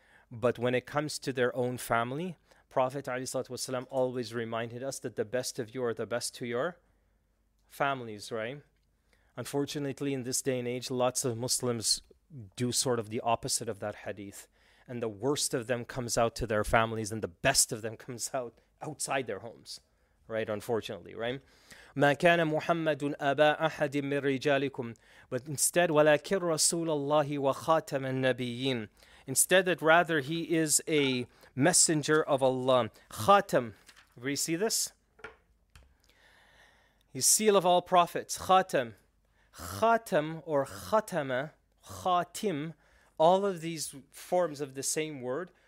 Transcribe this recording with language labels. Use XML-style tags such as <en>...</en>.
<en>But when it comes to their own family, Prophet ﷺ always reminded us that the best of you are the best to your families, right? Unfortunately, in this day and age, lots of Muslims do sort of the opposite of that hadith. And the worst of them comes out to their families, and the best of them comes out outside their homes. Right, unfortunately, right?</en> <ar>مَا كَانَ مُحَمَّدٌ أَبَا أَحَدٍ مِّن رِجَالِكُمْ.</ar> <en>But instead,</en> <ar>وَلَكِن رَسُولَ اللَّهِ وَخَاتَمَ النَّبِيِّينَ.</ar> <en>Instead, that rather he is a messenger of Allah. خَاتَم. Everybody see this? He's seal of all prophets.</en> <ar>خَاتَم.</ar> <en>خَاتَم or خَاتَمَ, خَاتِم, all of these forms of the same word.</en>